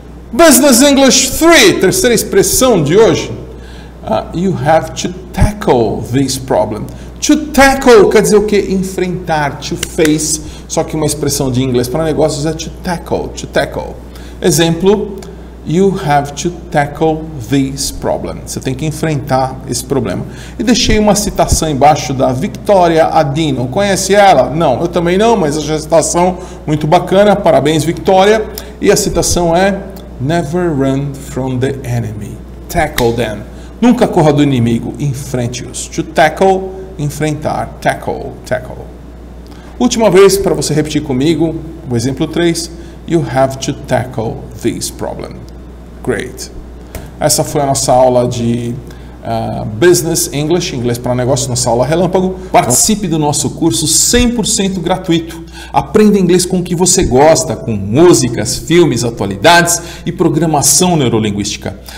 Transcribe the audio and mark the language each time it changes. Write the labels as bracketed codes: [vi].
[pt] Business English 3, terceira expressão de hoje. [en] You have to tackle this problem. [pt] To tackle quer dizer o quê? Enfrentar, [en] to face. [pt] Só que uma expressão de inglês para negócios é to tackle, to tackle. [en] Exemplo, you have to tackle this problem. [pt] Você tem que enfrentar esse problema. E deixei uma citação embaixo da Victoria Adino. Conhece ela? Não, eu também não, mas a citação muito bacana. Parabéns, Victoria. E a citação é, [en] never run from the enemy. Tackle them. [pt] Nunca corra do inimigo, enfrente-os. To tackle, enfrentar. [en] Tackle, tackle. [pt] Última vez para você repetir comigo, o exemplo 3. [en] You have to tackle this problem. Great. [pt] Essa foi a nossa aula de Business English, inglês para negócios, nossa aula relâmpago. Participe do nosso curso 100% gratuito. Aprenda inglês com o que você gosta, com músicas, filmes, atualidades e programação neurolinguística.